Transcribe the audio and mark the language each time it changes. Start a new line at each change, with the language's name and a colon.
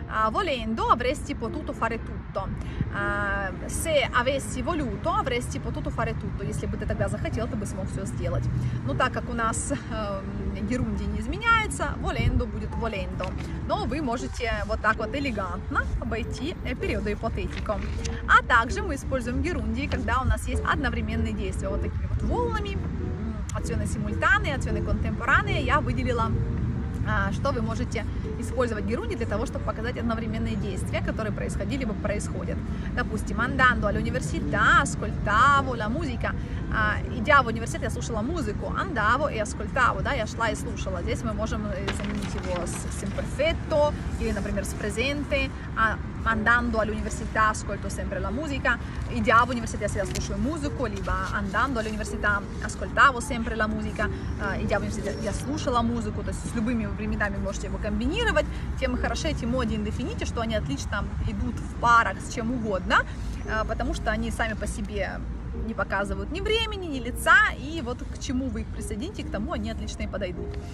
Italian: Volendo avresti potuto fare tutto. Se avessi voluto avresti potuto fare tutto.
Russian: Если бы ты тогда захотел, ты бы смог все сделать. Но так как у нас герунди не изменяется, volendo будет volendo. Но вы можете вот так вот элегантно обойти периоду ипотетико. А также мы используем герунди, когда у нас есть одновременные действия, вот такими вот волнами, акционы симультанные, акционы контемпоранные. Я выделила что вы можете использовать Герунди для того, чтобы показать одновременные действия, которые происходили либо происходят.
Italian: Допустим, andando all'università, ascoltavo la musica.
Russian: Идя в университет, я слушала музыку. Andavo и ascoltavo, да, я шла и слушала. Здесь мы можем заменить его с imperfetto или, например, с presente.
Italian: Andando all'università, ascolto sempre la musica.
Russian: Идя в университет, я всегда слушаю музыку, либо
Italian: andando all'università, ascoltavo sempre la musica.
Russian: Идя в университет, я слушала музыку, то есть с любыми временами можете его комбинировать. Тем хороше эти моди индефинити, что они отлично идут в парах с чем угодно, потому что они сами по себе не показывают ни времени, ни лица, и вот к чему вы их присоедините, к тому они отлично и подойдут.